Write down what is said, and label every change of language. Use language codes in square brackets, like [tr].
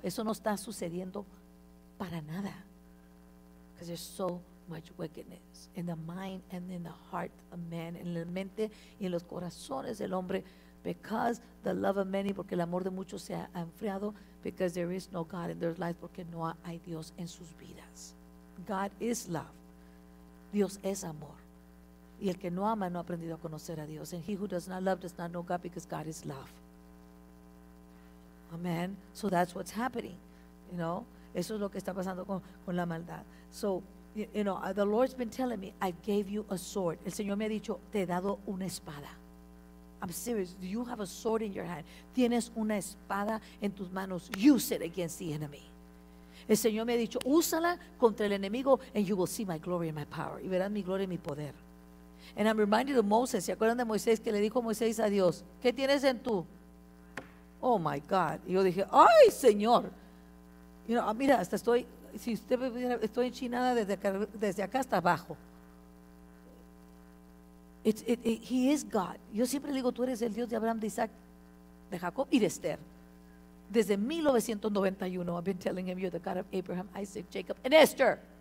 [es] Eso no está sucediendo para nada. [en] Because they're so much wickedness in the mind and in the heart of man, [es] en la mente y en los corazones del hombre, [en] because the love of many, [es] porque el amor de muchos se ha enfriado, [en] because there is no God in their lives, [es] porque no hay Dios en sus vidas. [en] God is love. [es] Dios es amor. Y el que no ama no ha aprendido a conocer a Dios. [en] And he who does not love does not know God, because God is love. Amen. So that's what's happening, you know. [es] Eso es lo que está pasando con la maldad. [en] So you know, the Lord's been telling me, I gave you a sword. [es] El Señor me ha dicho, te he dado una espada. [en] I'm serious. Do you have a sword in your hand? [es] Tienes una espada en tus manos. [en] Use it against the enemy. [es] El Señor me ha dicho, úsala contra el enemigo, [en] and you will see my glory and my power. [es] Y verás mi gloria y mi poder. [en] And I'm reminded of Moses. [es] ¿Se acuerdan de Moisés, que le dijo Moisés a Dios, ¿qué tienes en tu? [en] Oh, my God. [es] Y yo dije, ¡ay, Señor! [en] You know, [es] mira, hasta estoy... Si usted ve, estoy enchinada desde acá hasta abajo. [en] He is God. [es] Yo siempre digo, tú eres el Dios de Abraham, de Isaac, de Jacob y de Esther. Desde 1991, [en] I've been telling him, you're the God of Abraham, Isaac, Jacob, and Esther.